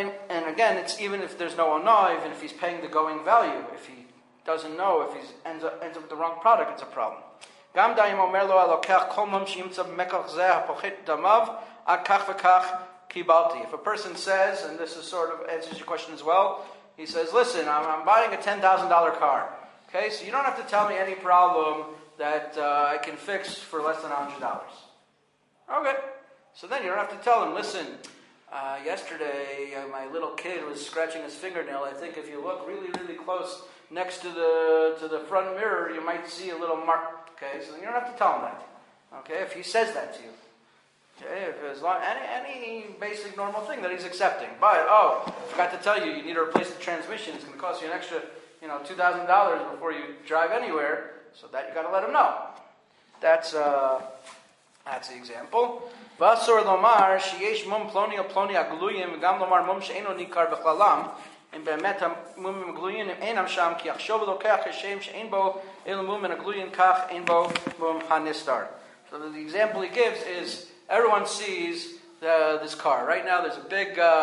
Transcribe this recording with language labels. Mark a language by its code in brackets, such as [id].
[en] And again, it's even if there's no anah, even if he's paying the going value, if he doesn't know, if he ends up with the wrong product, it's a problem. [he] גם דאי מומר לו אלוקח כל מום שימצא במקח זה הפוחית דמיו, עד כך וכך קיבלתי. [en] If a person says, and this is sort of answers your question as well, he says, listen, I'm buying a $10,000 car. Okay, so you don't have to tell me any problem that I can fix for less than $100. Okay, so then you don't have to tell him, listen, yesterday my little kid was scratching his fingernail. I think if you look really, really close next to the front mirror, you might see a little mark. Okay, so then you don't have to tell him that. Okay, if he says that to you. Okay, if it's like any basic normal thing that he's accepting. But, oh, I forgot to tell you, you need to replace the transmission. It's going to cost you an extra, you know, $2,000 before you drive anywhere. So that you got to let him know. That's the example. [he] Vasur lomar, sheyesh mum plonia plonia gluyim, gam lomar mum sheino nikar bechlalam. And באמת המומים הגלויים אינם שם, כי עכשיו לוקח השם שאין בו אלו מומים הגלויים, כך אין בו מום הנסתר. [en] So the example he gives is, everyone sees this car. Right now there's a big...